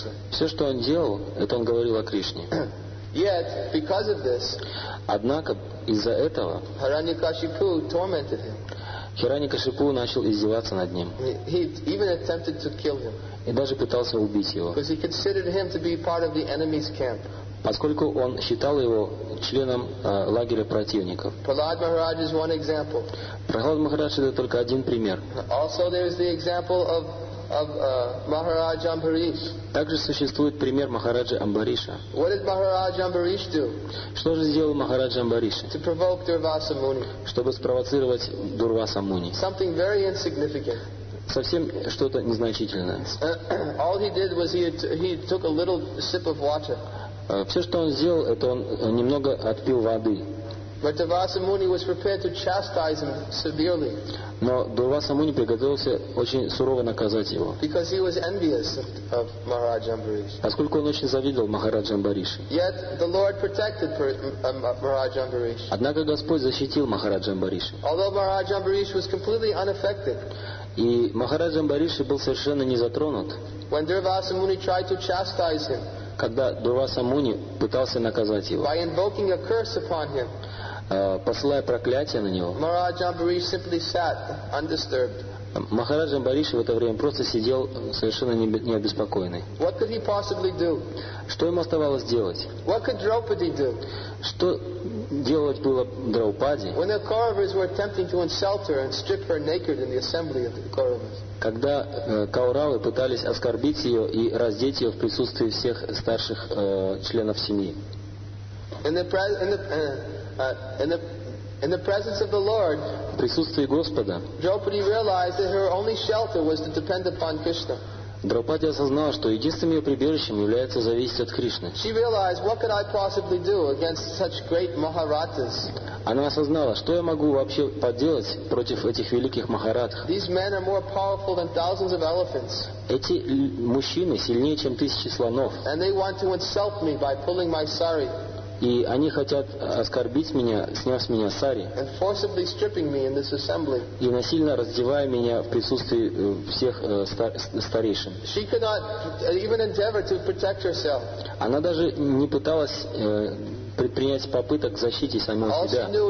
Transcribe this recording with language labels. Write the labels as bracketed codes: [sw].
[ru] Все, что он делал, это он говорил о Кришне. [en] Yet, because of this, [ru] однако, из-за этого [en] Hiranyakashipu tormented him. [ru] Hiranyakashipu начал издеваться над ним. [en] He even attempted to kill him. [ru] И даже пытался убить его. [en] Because he considered him to be part of the enemy's camp. [ru] Поскольку он считал его членом лагеря противников. [en] Prahlad Maharaj is one example. [ru] Prahlad Maharaj это только один пример. [en] Also there is the example of Maharaj Ambarish. [ru] Также существует пример Махараджи Амбариша. [en] What did Maharaj Ambarish do? [ru] Что же сделал Махараджа Амбариша? [en] To provoke Durvasa Muni. [ru] Чтобы спровоцировать Дурваса Муни. [en] Something very insignificant. [ru] Совсем что-то незначительное. [en] All he did was he took a little sip of water. [ru] Все, что он сделал, это он немного отпил воды. [en] But Durvasa Muni was prepared to chastise him severely. [ru] Но Дурваса Муни приготовился очень сурово наказать его. [en] Because he was envious of Maharaj Ambarish. [ru] Поскольку он очень завидовал Махараджа Амбариша. [en] Yet the Lord protected Maharaj Ambarish. [ru] Однако Господь защитил Махараджа Амбариша. [en] Although Maharaj Ambarish was completely unaffected. [ru] И Махараджа Амбариша был совершенно не затронут. [en] When Durvasa Muni tried to chastise him. [ru] Когда Дурваса Муни пытался наказать его, [en] by invoking a curse upon him, [ru] посылая проклятие на него, [en] Maharaj Ambarish simply sat undisturbed. [ru] Махарадж Амбариш в это время просто сидел совершенно не обеспокоенный. [en] What could he possibly do? [ru] Что ему оставалось делать? [en] What could Draupadi do? [ru] Что делать было Драупаде? [en] When the Kauravas were attempting to insult her and strip her naked in the assembly of the Kauravas. [ru] Когда Кауравы пытались оскорбить ее и раздеть ее в присутствии всех старших членов семьи. [en] In the presence of the Lord, [ru] в присутствии Господа, [en] Draupadi realized that her only shelter was to depend upon Krishna. [ru] Драупади осознала, что единственным ее прибежищем является зависеть от Кришны. [en] She realized, what could I possibly do against such great Maharatas? [ru] Она осознала, что я могу вообще поделать против этих великих Махаратх. [en] These men are more powerful than thousands of elephants. [ru] Эти мужчины сильнее, чем тысячи слонов. [en] And they want to insult me by pulling my sari. [ru] И они хотят оскорбить меня, сняв с меня сари. [en] And forcibly stripping me in this assembly. [ru] И насильно раздевая меня в присутствии всех старейшин. [en] She could not even endeavor to protect herself. [ru] Она даже не пыталась предпринять попыток защиты самой себя.